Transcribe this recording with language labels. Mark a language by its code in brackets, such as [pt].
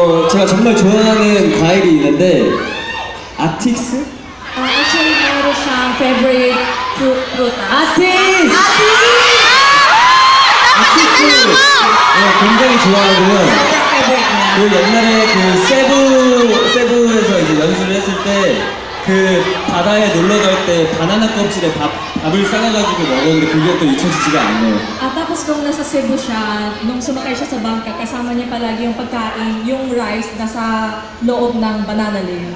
[ko] 제가 정말 좋아하는 과일이 있는데 아틱스. [en] Actually, my favorite fruit. [ko] Atix. 네, 굉장히 좋아하고요. 그 옛날에 그 세부에서 이제 연습을 했을 때 그 바다에 놀러 갈 때 바나나 껍질에 밥을 싸가지고 먹었는데 그게 또 잊혀지지가 않네요. [tl] 아, tapos kung nasa Cebu siya, nung sumakay siya sa bangka, kasama niya palagi yung pagkain, yung rice nasa loob ng [en] banana leaf.